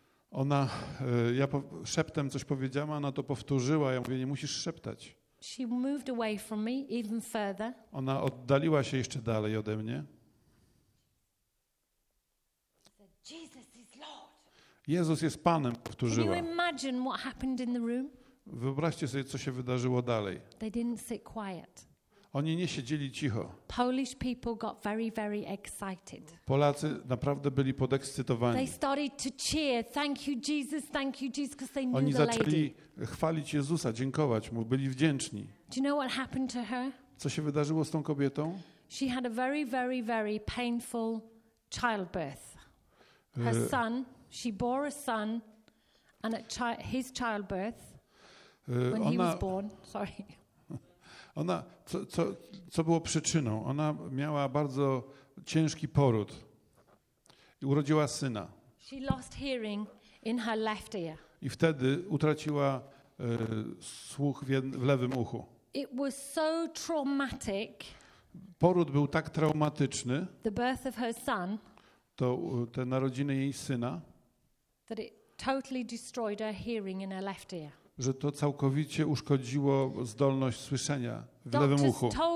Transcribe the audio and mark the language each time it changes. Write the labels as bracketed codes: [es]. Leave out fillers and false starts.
[pl] Ona, ja szeptem coś powiedziałam, ona to powtórzyła. Ja mówię, nie musisz szeptać. [en] She moved away from me even further. [pl] Ona oddaliła się jeszcze dalej ode mnie. [en] Said, Jesus is Lord. [pl] Jezus jest Panem, powtórzyła. [en] Can you imagine what happened in the room? [pl] Wyobraźcie sobie, co się wydarzyło dalej. [en] They didn't sit quiet. [pl] Oni nie siedzieli cicho. [en] Polish people got very, very excited. [pl] Polacy naprawdę byli podekscytowani. [en] They started to cheer. Thank you Jesus, because they knew the lady. [pl] Oni zaczęli chwalić Jezusa, dziękować mu, byli wdzięczni. [en] Do you know what happened to her? [pl] Co się wydarzyło z tą kobietą? [en] She had a very, very, very painful childbirth. Her son, she bore a son, and at his childbirth, when he was born, sorry. [pl] Ona, co było przyczyną? Ona miała bardzo ciężki poród i urodziła syna. [en] She lost hearing in her left ear. [pl] I wtedy utraciła słuch w lewym uchu. [en] It was so traumatic. [pl] Poród był tak traumatyczny. [en] The birth of her son. [pl] To te narodziny jej syna. [en] That it totally destroyed her hearing in her left ear. [pl] Że to całkowicie uszkodziło zdolność słyszenia w lewym uchu.